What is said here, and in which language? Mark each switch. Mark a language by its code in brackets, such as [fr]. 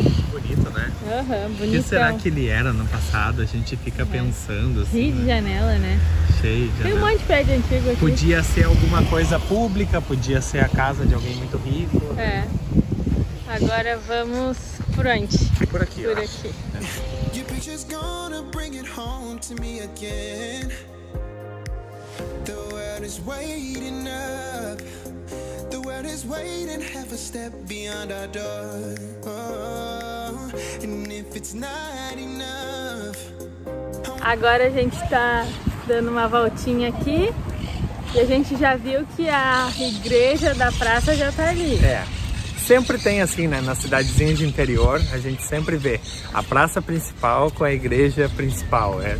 [pt] Bonito, né? Aham, bonito. O que será que ele era no passado? A gente fica pensando assim. Cheio de janela, né? Cheio de janela. Tem um monte de prédio antigo aqui. Podia ser alguma coisa pública, podia ser a casa de alguém muito rico. É. Agora vamos por onde? Por aqui. Por ó. Aqui. [en] Your picture's gonna bring it home to me again. The world is waiting up. The world is waiting half a step beyond our door. Oh, and if it's not enough. [pt] Agora a gente tá dando uma voltinha aqui. E a gente já viu que a igreja da praça já tá ali. É. Sempre tem assim, né? Na cidadezinha de interior, a gente sempre vê a praça principal com a igreja principal.